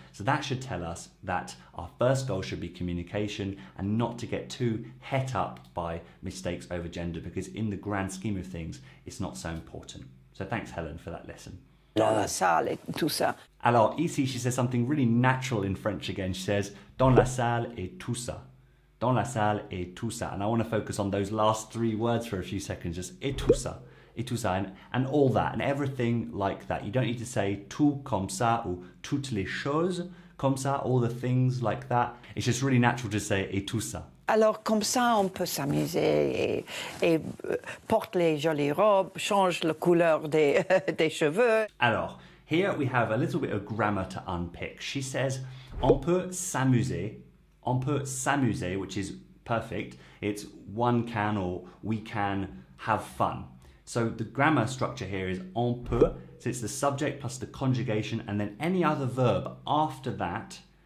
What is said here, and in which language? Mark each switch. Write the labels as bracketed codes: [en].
[en] So that should tell us that our first goal should be communication and not to get too het up by mistakes over gender, because in the grand scheme of things, it's not so important. So thanks, Helen, for that lesson. [fr] Dans la salle et tout ça. Alors ici, [en] she says something really natural in French again. She says, [fr] dans la salle et tout ça. Dans la salle et tout ça. [en] And I want to focus on those last three words for a few seconds. Just [fr] et tout ça. Et tout ça. [en] And all that. And everything like that. You don't need to say [fr] tout comme ça ou toutes les choses comme ça. [en] All the things like that. It's just really natural to say [fr] et tout ça. Alors comme ça, on peut s'amuser et porte les jolies robes, change la couleur des cheveux. [en] Alors, here we have a little bit of grammar to unpick. She says, [fr] on peut s'amuser, [en] which is perfect. It's one can or we can have fun. So the grammar structure here is [fr] on peut, [en] so it's the subject plus the conjugation and then any other verb after that.